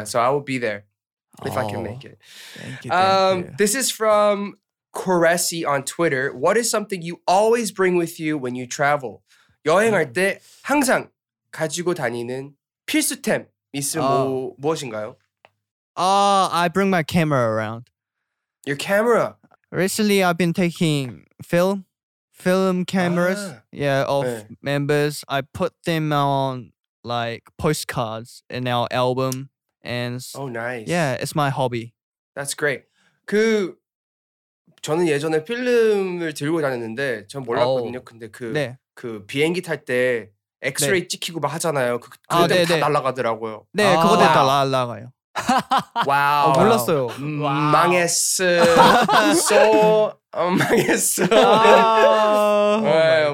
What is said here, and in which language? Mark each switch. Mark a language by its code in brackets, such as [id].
[en] So I will be there if I can make it. Thank you. This is from Koresi on Twitter. What is something you always bring with you when you travel? [ko] 여행할 때 항상 가지고 다니는 필수템 있으면 무엇인가요? [en] I bring my camera around. Your camera? Recently, I've been taking film cameras members. I put them on like postcards in our album. And oh, nice. Yeah, it's my hobby. That's great. [ko] 저는 예전에 필름을 들고 다녔는데 전 몰랐거든요. 근데 그 비행기 탈 때 엑스레이 찍히고 막 하잖아요. 그때 다 날아가더라고요. 네, 그거 다 날아가요. 와우. 몰랐어요. 망했어. So 망했어.